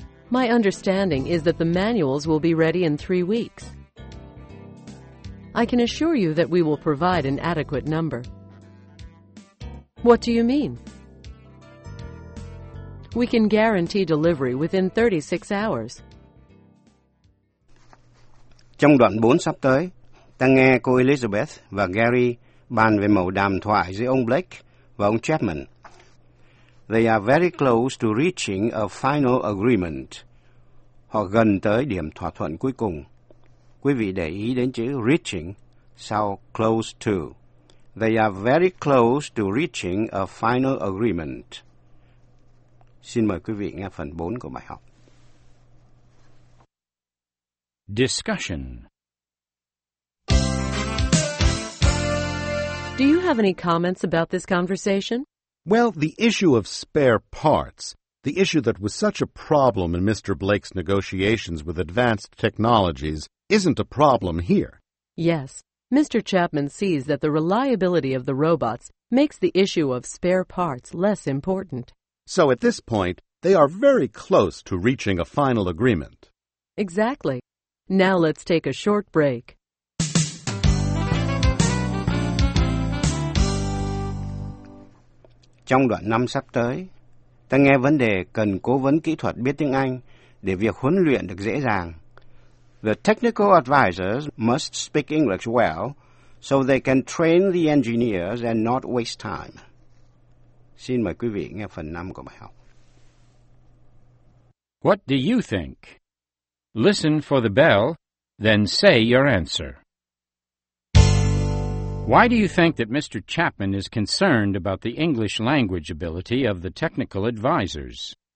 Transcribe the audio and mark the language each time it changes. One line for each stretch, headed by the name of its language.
English: My understanding is that the manuals will be ready in 3 weeks. I can assure you that we will provide an adequate number. What do you mean? We can guarantee delivery within 36 hours.
Vietnamese: Trong đoạn 4 sắp tới, ta nghe cô Elizabeth và Gary bàn về một đàm thoại giữa ông Blake và ông Chapman.
English: They are very close to reaching a final agreement.
Vietnamese: Họ gần tới điểm thỏa thuận cuối cùng. Quý vị để ý đến chữ reaching sau close to.
English: They are very close to reaching a final agreement.
Vietnamese: Xin mời quý vị nghe phần 4 của bài học.
English: Discussion. Do you have any comments about this conversation? Well, the issue of spare parts... The issue that was such a problem in Mr. Blake's negotiations with Advanced Technologies isn't a problem here. Yes, Mr. Chapman sees that the reliability of the robots makes the issue of spare parts less important. So at this point, they are very close to reaching a final agreement. Exactly. Now let's take a short break.
Vietnamese: Trong đoạn năm sắp tới, ta nghe vấn đề cần cố vấn kỹ thuật biết tiếng Anh để việc huấn luyện được dễ dàng.
English: The technical advisors must speak English well so they can train the engineers and not waste time.
Vietnamese: Xin mời quý vị nghe phần 5 của bài học.
English: What do you think? Listen for the bell, then say your answer. Why do you think that Mr. Chapman is concerned about the English language ability of the technical advisors?